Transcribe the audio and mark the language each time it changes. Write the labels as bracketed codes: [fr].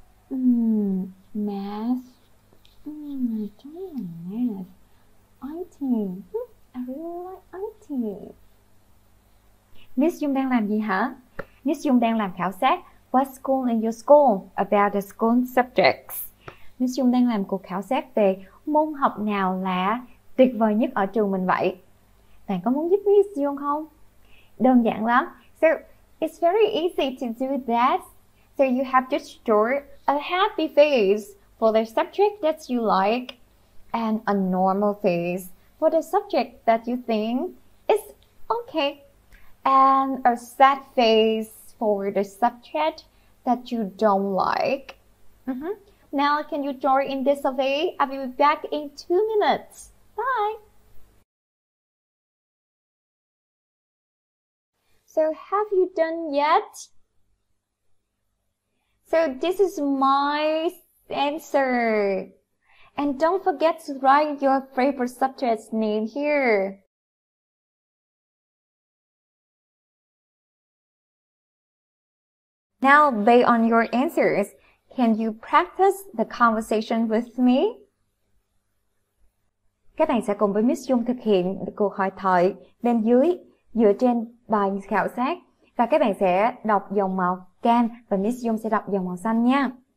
[en] Math. I don't like math. IT. I really like IT. [vi] Miss Dung đang làm gì hả? Miss Dung đang làm khảo sát [en] what school in your school about the school subjects. [vi] Miss Dung đang làm cuộc khảo sát về môn học nào là tuyệt vời nhất ở trường mình vậy. Bạn có muốn giúp Miss Dung không? Đơn giản lắm. [en] So, it's very easy to do that. So you have to store a happy face for the subject that you like and a normal face for the subject that you think is okay and a sad face for the subject that you don't like. Now can you join in this survey? I will be back in 2 minutes. Bye! So have you done yet? So this is my answer. And don't forget to write your favorite subject's name here. Now, based on your answers, can you practice the conversation with me? [vi] Các bạn sẽ cùng với Miss Dung thực hiện cuộc hội thoại bên dưới dựa trên bài khảo sát. Và các bạn sẽ đọc dòng màu cam và Miss Dung sẽ đọc dòng màu xanh nha.